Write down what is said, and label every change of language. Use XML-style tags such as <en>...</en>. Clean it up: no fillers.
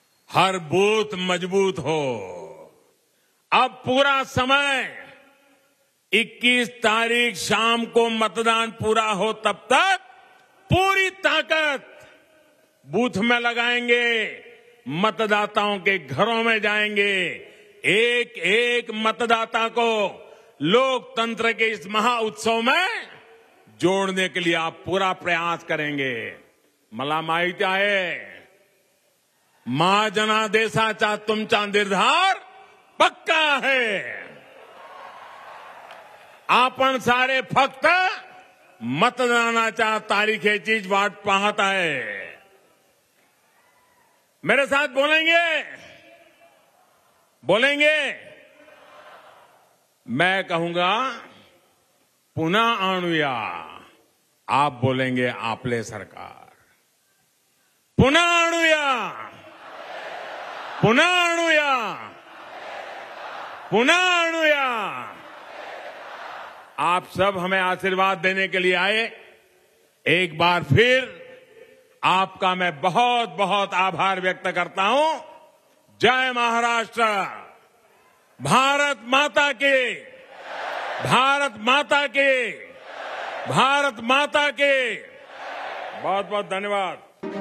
<hi>हर booth मजबूत हो। अब पूरा समय 21 तारीख शाम को मतदान पूरा हो तब तक पूरी ताकत बूथ में लगाएंगे, मतदाताओं के घरों में जाएंगे, एक एक मतदाता को लोकतंत्र के इस महाउत्सव में जोड़ने के लिए आप पूरा प्रयास करेंगे।</hi> <mr>मला माहित आहे, मा जनादेशाचा तुमचा निर्धार पक्का आहे। आपण सारे फक्त मतदानाच्या तारीखेचीच वाट पाहत आहे।</mr> <hi>मेरे साथ बोलेंगे? बोलेंगे? मैं कहूंगा</hi> <mr>पुन्हा आणूया,</mr> <hi>आप बोलेंगे</hi> <mr>आपले सरकार। पुन्हा आणूया, पुन्हा आणूया, पुन्हा आणूया।</mr> <hi>आप सब हमें आशीर्वाद देने के लिए आए, एक बार फिर आपका मैं बहुत बहुत आभार व्यक्त करता हूं। जय महाराष्ट्र, भारत माता की, भारत माता की, भारत माता के। बहुत बहुत धन्यवाद।</hi>